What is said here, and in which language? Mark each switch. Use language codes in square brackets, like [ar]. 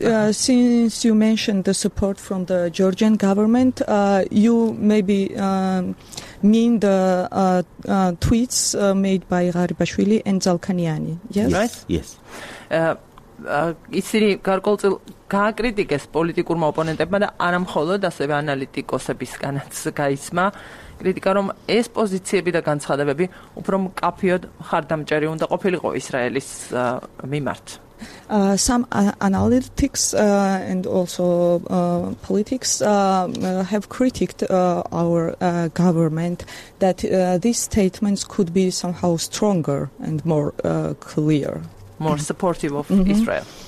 [en] Since you mentioned the support from the Georgian government, you maybe mean the tweets made by Garibashvili and Zalkanyani. Yes? Yes. [ka] ისინი გარკვეულწილად გააკრიტიკეს პოლიტიკურმა ოპონენტებმა და არამხოლოდ ასევე ანალიტიკოსებისგანაც გაისმა კრიტიკა, რომ ეს პოზიციები და განცხადებები უფრო მკაფიოდ მხარდამჭერი უნდა ყოფილიყო ისრაელის მიმართ. [en] Some analytics and also politics have critiqued our government that these statements could be somehow stronger and more clear. More supportive of Israel.